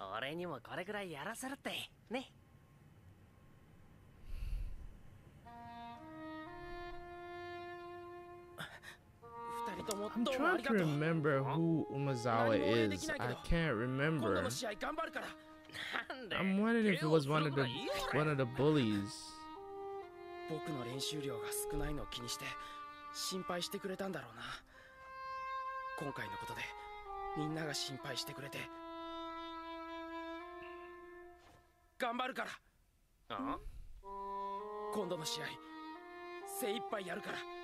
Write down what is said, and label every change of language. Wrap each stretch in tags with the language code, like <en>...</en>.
<ja>俺にもこれくらいやらせるってね。二人とも。</ja> <en>I'm trying to remember who Umezawa is. I can't remember.</en> <ja>今度の試合頑張るから。</ja> <en>I'm wondering if it was one of the bullies.</en> <ja>僕の練習量が少ないのを気にして心配してくれたんだろうな。今回のことでみんなが心配してくれて。頑張るから。今度の試合精一杯やるから。</ja>